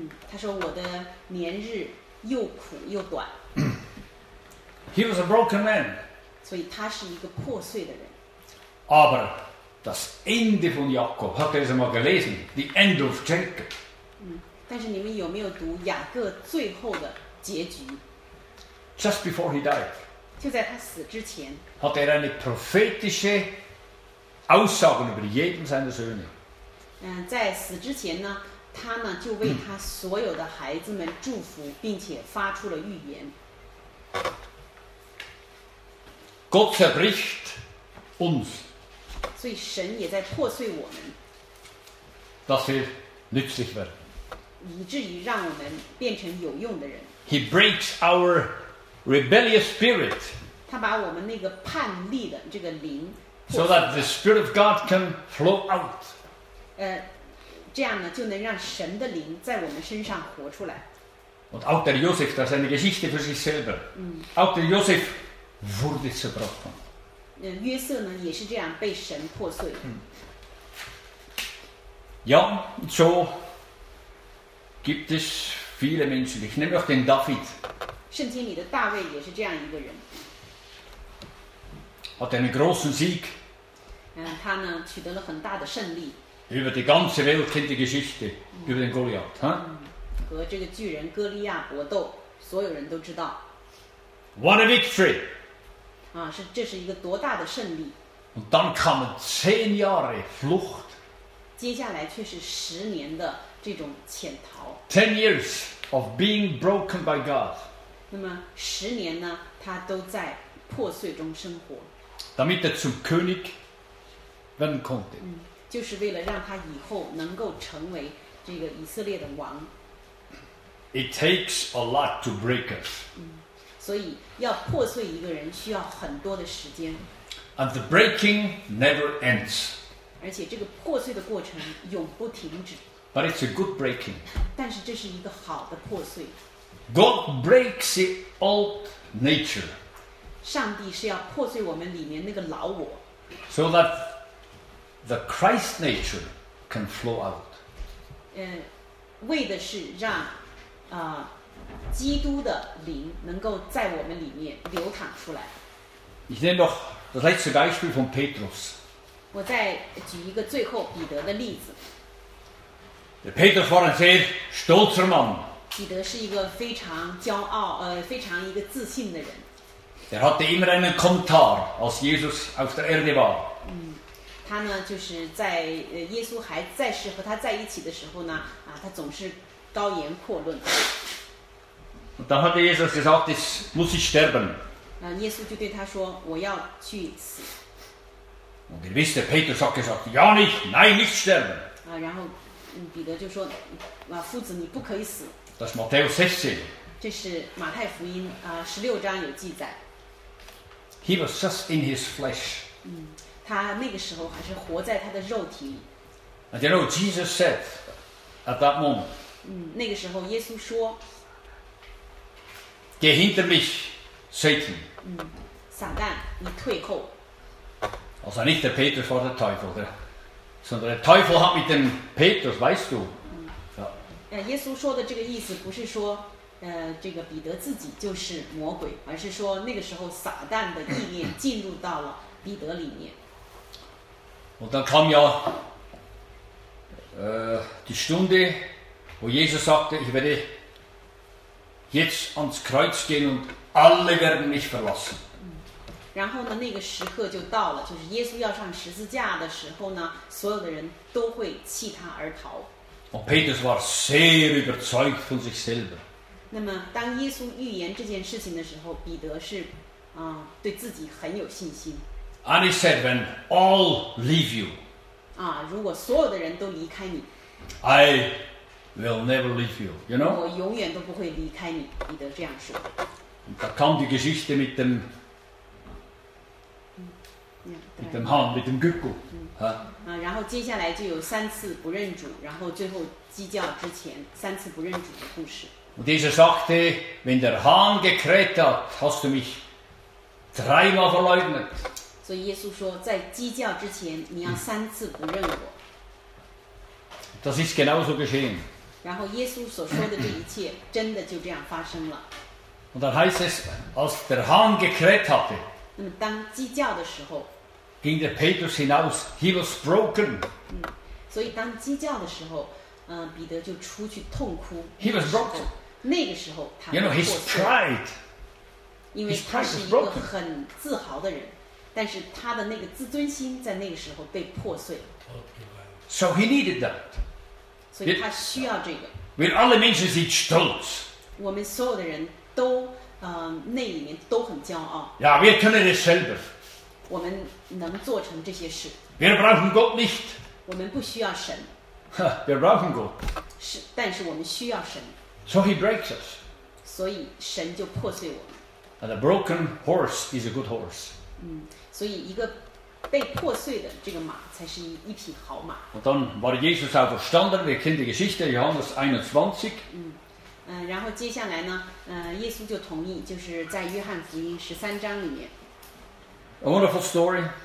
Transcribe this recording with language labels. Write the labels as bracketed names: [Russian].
[Chinese] 他说我的年日又苦又短。 [English] He was a broken man. [Chinese] 所以他是一个破碎的人。 [German] Aber das Ende von Jakob, habt ihr es mal gelesen? [English] The end of Jacob. [Chinese] 但是你们有没有读雅各最后的结局？ [English] Just before he died, [Chinese] 就在他死之前, [German] hat er eine prophetische Aussage über jeden seiner Söhne. [Chinese] 在死之前呢，他呢就为他所有的孩子们祝福，并且发出了预言。 [German] Gott zerbricht uns. [Chinese] 所以神也在破碎我们, [German] dass wir nützlich werden. [Chinese] 以至于让我们变成有用的人。 [English] He breaks our rebellious spirit, [Chinese] 他把我们那个叛逆的这个灵 [English] so that the spirit of God can flow out. [Chinese] 这样呢，就能让神的灵在我们身上活出来。 [German] Und auch der Josef, das ist eine Geschichte für sich selber. Auch der Josef wurde zerbrochen. [Chinese] 约瑟呢，也是这样被神破碎。 [German] Ja, so gibt es viele Menschen. Ich nehme auch den David. [Chinese] 圣经里的大卫也是这样一个人。 [German] Hat einen großen Sieg. [Chinese] 他呢取得了很大的胜利。 [German] Über die ganze Welt kennt die Geschichte über den Goliath, huh? [Chinese] 和这个巨人哥利亚搏斗，所有人都知道。 [English] What a victory! [Chinese] 这是一个多大的胜利。 [German] Und dann kamen 10 Jahre Flucht. [Chinese] 接下来却是十年的这种潜逃。 [English] 10 years of being broken by God. [Chinese] 那么十年呢，他都在破碎中生活。 [German] Damit er zum König werden konnte. [Chinese] 就是为了让他以后能够成为这个以色列的王。 [English] It takes a lot to break us. [Chinese] 所以要破碎一个人需要很多的时间。 [English] And the breaking never ends. [Chinese] 而且这个破碎的过程永不停止。 [English] But it's a good breaking. [Chinese] 但是这是一个好的破碎。 [English] God breaks the old nature. [Chinese] 上帝是要破碎我们里面那个老我。 [English] So that the Christ nature can flow out. [Chinese] 为的是让基督的灵能够在我们里面流淌出来。 [German] Ich nehme noch das letzte Beispiel von Petrus. [Chinese] 我再举一个最后彼得的例子。 [German] Der Petrus war ein sehr stolzer Mann. [Chinese] 彼得是一个非常骄傲，非常一个自信的人。 [German] Er hatte immer einen Kommentar, als Jesus auf der Erde war. [Chinese] 他呢，就是在耶稣还在世和他在一起的时候呢，他总是高言阔论。 [German] Und dann hatte Jesus gesagt, ich muss sterben. [Chinese] 耶稣就对他说，我要去死。 [German] Und ihr wisst, Petrus hat gesagt, ja nicht, nein, nicht sterben. [Chinese] 然后彼得就说，夫子，你不可以死。 [German] Das ist Matthäus 16. [Chinese] 这是马太福音十六章有记载。 [English] He was just in his flesh. [Chinese] 他那个时候还是活在他的肉体里。 [English] And you know, Jesus said at that moment. [Chinese] 那个时候耶稣说 [German] "Geh hinter mich, Satan." [Chinese] 撒旦，你退后。 [German] Also nicht der Petrus war der Teufel, der, sondern der Teufel hat mit dem Petrus, weißt du? [Chinese] 耶稣说的这个意思不是说这个彼得自己就是魔鬼，而是说那个时候撒旦的意念进入到了彼得里面。 [German] Und dann kam ja die Stunde, wo Jesus sagte, ich werde jetzt ans Kreuz gehen und alle werden mich verlassen. [Chinese] 然后呢，那个时刻就到了，就是耶稣要上十字架的时候呢，所有的人都会弃他而逃。 [German] Und Petrus war sehr überzeugt von sich selber. [Chinese] 那么，当耶稣预言这件事情的时候，彼得是对自己很有信心。 [English] And he said, when all leave you, [Chinese] 啊，如果所有的人都离开你 [English] ，I will never leave you. You know? [Chinese] 我永远都不会离开你，彼得这样说。 [German] Und da kam die Geschichte mit dem mit dem Hahn, mit dem Gückel. [Chinese] 然后接下来就有三次不认主，然后最后鸡叫之前三次不认主的故事。 [German] Und Jesus sagte, wenn der Hahn gekräht hat, hast du mich dreimal verleugnet. [Chinese] 所以耶稣说，在鸡叫之前，你要三次不认我。 [German] Das ist genauso geschehen. [Chinese] 然后耶稣所说的这一切，真的就这样发生了。 [German] Und dann heißt es, als der Hahn gekräht hatte, [Chinese] 那么当鸡叫的时候 [German] ging der Petrus hinaus, [English] he was broken. [Chinese] 所以当鸡叫的时候，彼得就出去痛哭。 [English] He was broken. [Chinese] 那个时候他 [English] You know, his pride. [Chinese] 因为他是一个很自豪的人，但是他的那个自尊心在那个时候被破碎。 [English] So he needed that. [Chinese] 所以他需要这个。 [English] With all the means he's stolz. [Chinese] 我们所有的人都内里面都很骄傲。 [German] Ja, wir können es selber. [Chinese] 我们能做成这些事。 [German] Wir brauchen Gott nicht. [Chinese] 我们不需要神。 [German] Wir brauchen Gott. [Chinese] 是，但是我们需要神。 [English] So he breaks us. [Chinese] 所以神就破碎我们。 [English] And a broken horse is a good horse. [Chinese] 所以一个被破碎的这个马才是一匹好马。 [German] Und dann war Jesus auferstanden. Wir kennen die Geschichte, Johannes 21. [Chinese] 然后接下来呢，耶稣就同意，就是在约翰福音十三章里面。 [English] A wonderful story.